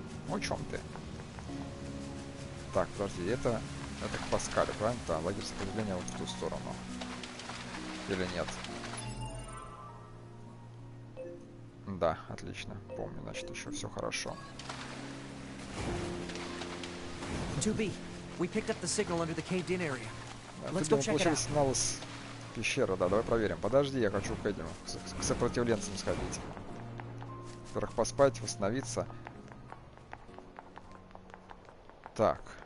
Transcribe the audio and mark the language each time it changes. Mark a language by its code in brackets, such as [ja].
[ru] О чем ты? Так, подожди, это к Паскалю, правильно? Да, лагерь сопротивления вот в ту сторону. Или нет? Да, отлично. Помню, значит, еще все хорошо. [en] 2B, we picked up the signal under the caved in area. Let's go check it out. [ru] Получилось, сигнал с пещеры, да, давай проверим. Подожди, я хочу к этим, к сопротивленцам сходить. Во-первых, поспать, восстановиться. Так.